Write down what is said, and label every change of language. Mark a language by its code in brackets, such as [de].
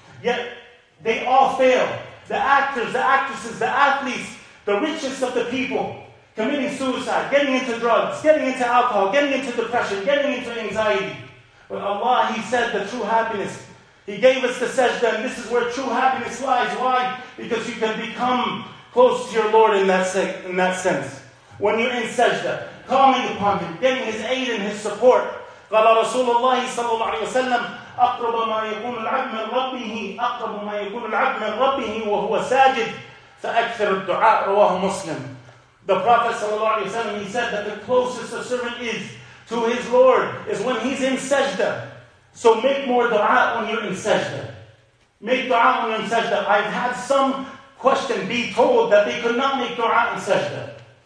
[en] Yet, they all fail. The actors, the actresses, the athletes, the richest of the people, committing suicide, getting into drugs, getting into alcohol, getting into depression, getting into anxiety. But Allah, He said the true happiness. He gave us the sajda, and this is where true happiness lies. Why? Because you can become close to your Lord in that sense. When you're in sajda, calling upon Him, getting His aid and His support. [ar] قال رسول الله صلى الله عليه وسلم أقرب ما يكون العبد من ربه أقرب ما يكون العبد من ربه وهو ساجد فأكثر الدعاء رواه مسلم. [en] The Prophet [ar] صلى الله عليه وسلم, [en] he said that the closest a servant is to his Lord is when he's in sajda. So make more dua when you're in sajda. Make dua when you're in sajda. I've had some question be told that they could not make dua in sajda.